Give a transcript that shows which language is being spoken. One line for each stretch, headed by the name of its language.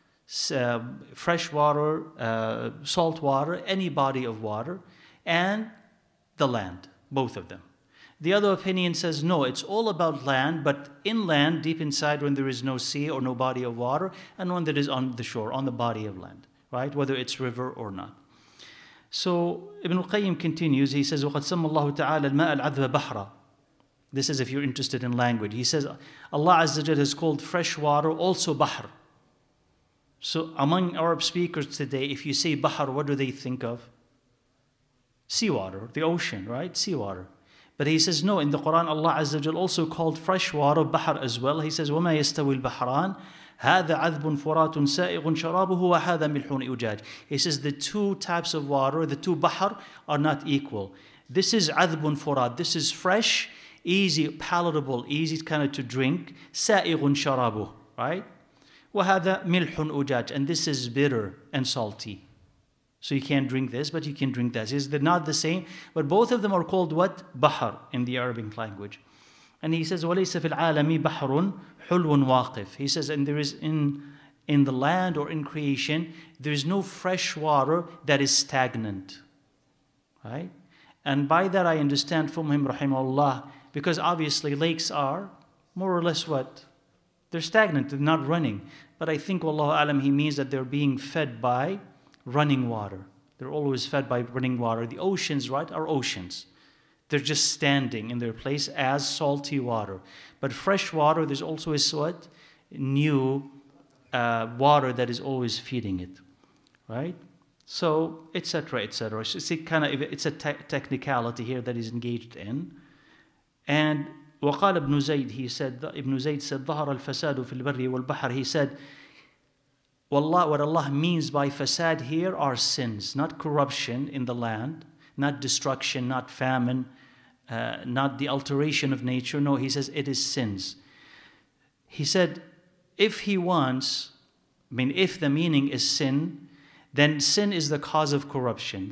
English: fresh water, salt water, any body of water, and the land, both of them. The other opinion says, no, it's all about land, but inland, deep inside, when there is no sea or no body of water, and one that is on the shore, on the body of land, right? Whether it's river or not. So Ibn al-Qayyim continues, he says,
Arabic: وَقَدْ سَمَّ اللَّهُ تَعَالَى الْمَاءَ الْعَذْبَ بَحْرًا.
English: This is if you're interested in language. He says, Allah Azza wa Jalla has called fresh water also bahr. So among Arab speakers today, if you say bahr, what do they think of? Seawater, the ocean, right? Seawater. But he says, no, in the Quran, Allah Azza wa Jalla also called fresh water bahr as well. He says,
Arabic: وَمَا يَسْتَوِي الْبَحْرَانِ هَذَا عَذْبٌ فُرَاتٌ سَائِغٌ شَرَابُهُ وَهَذَا مِلْحٌ أُجَاجٌ.
English: He says, the two types of water, the two bahr, are not equal. This is
Arabic: عَذْبٌ فُرَاتٌ.
English: This is fresh, easy, palatable, easy kind of to drink.
Arabic: سَائِغٌ شَرَابُهُ,
English: right?
Arabic: وَهَذَا مِلْحٌ أُجَاجٌ.
English: And this is bitter and salty. So you can't drink this, but you can drink that. They're not the same, but both of them are called what? Bahar in the Arabic language. And he says,
Arabic: وَلَيْسَ فِي الْعَالَمِ بَحْرٌ حُلْوٌ وَاقِفٌ.
English: He says, and there is in the land or in creation, there is no fresh water that is stagnant. Right? And by that I understand from him, rahimahullah, because obviously lakes are more or less what? They're stagnant, they're not running. But I think, wallahu alam, he means that they're being fed by running water. They're always fed by running water. The oceans, right, are oceans. They're just standing in their place as salty water. But fresh water, there's also a sort new water that is always feeding it, right? So, etc., etc. It's a technicality here that he's engaged in. And
Arabic: وقال ابن زيد,
English: he said,
Arabic: ابن زيد
English: said,
Arabic: ظهر الفساد في البر والبحر.
English: He said, Wallah, what Allah means by fasad here are sins, not corruption in the land, not destruction, not famine, not the alteration of nature. No, he says it is sins. He said, if the meaning is sin, then sin is the cause of corruption.